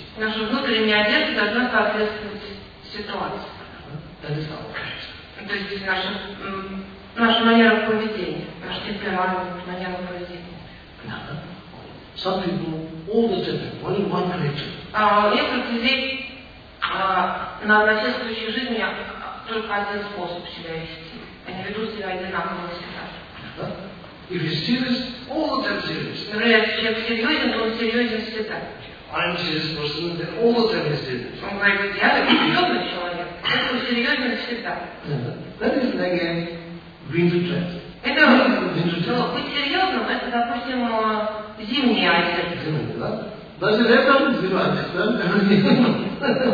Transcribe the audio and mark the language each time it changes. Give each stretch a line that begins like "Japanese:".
Russian: Наша внутренняя одежда должна соответствовать ситуации.
English: That is our character.
Russian: То есть наша манера поведения, наш темперамент, манера поведения.
English: Some people all the time, only one character.
Russian: А некоторых людей на наследствующей жизни только один способ себя вести. Они ведут себя одинаково всегда.
English: If he's serious, all the time serious.
Russian: Например, человек серьезен, то он серьезен всегда.
English: I'm serious person, then all the time he's serious.
Russian: Он говорит, я серьезный человек, поэтому серьезен всегда.
English: That is again winter dress.
Russian: Это
English: winter dress.
Russian: Быть серьезным, это, допустим, зимняя одежда. Зимняя, да? Даже летом зима одежда, да?